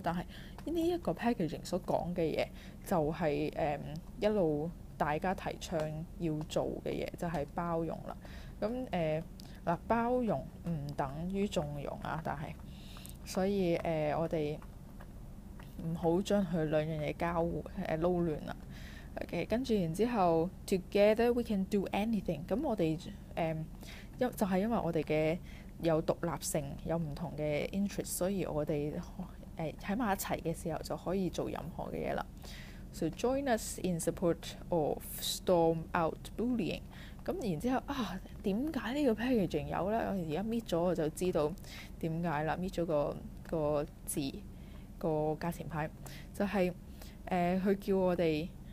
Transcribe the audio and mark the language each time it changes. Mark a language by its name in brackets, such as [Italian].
[Chinese] 但係呢一個 packaging 所講嘅嘢，就係一路大家提倡要做嘅嘢，就係包容啦。咁包容唔等於縱容啊，但係所以我哋唔好將佢兩樣嘢交撈亂啦。 [English] OK，跟住然之後，together we can do anything。 [Chinese] 咁我哋就係因為我哋嘅有獨立性，有唔同嘅 interest， 所以我哋喺埋一齊嘅時候就可以做任何嘅嘢啦。 [English] So join us in support of storm out bullying。 [Chinese] 咁然之後點解呢個 packaging 有咧？我而家搣咗我就知道點解啦，搣咗個字個價錢牌，就係佢叫我哋。